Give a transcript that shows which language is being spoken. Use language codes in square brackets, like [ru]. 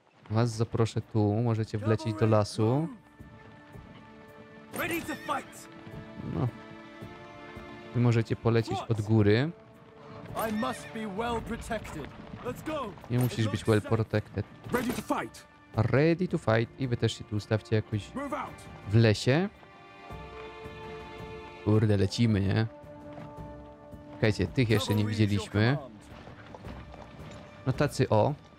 [pl] Was zaproszę tu. Możecie wlecieć do lasu. No. Wy możecie polecieć od góry. [en] I must be well protected. Let's go. [pl] Nie musisz być [en] well protected. Ready to fight. Ready to fight. [pl] I wy też się tu ustawcie jakoś w lesie. Kurde, lecimy, nie? Czekajcie, tych jeszcze nie widzieliśmy. No tacy o.